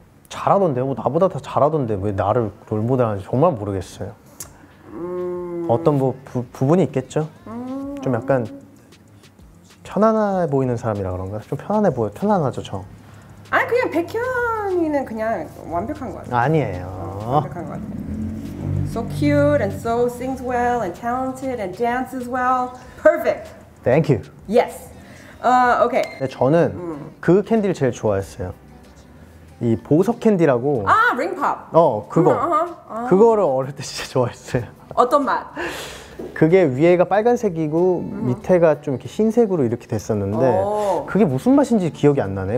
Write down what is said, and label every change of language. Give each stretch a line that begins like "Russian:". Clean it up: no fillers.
Korean: 잘하던데요. 뭐 나보다 다 잘하던데 왜 나를 롤모델하는지 정말 모르겠어요. 어떤 뭐 부분이 있겠죠. 좀 약간 편안해 보이는 사람이라 그런가. 좀 편안해 보여. 편안하죠 저. 아니 그냥 백현이는 그냥 완벽한 것 같아요. 아니에요. 완벽한 것 같아요.
English: So cute and so sings well and talented and dances well. Perfect. Thank you. Yes. Okay.
Korean: 네, 저는 그 캔디를 제일 좋아했어요. 이 보석 캔디라고. 아, ring pop. 어, 그거. 그거를 어릴 때 진짜 좋아했어요. 어떤 맛? 그게 위에가 빨간색이고 밑에가 좀 이렇게 흰색으로 이렇게 됐었는데 그게 무슨 맛인지 기억이 안 나네요.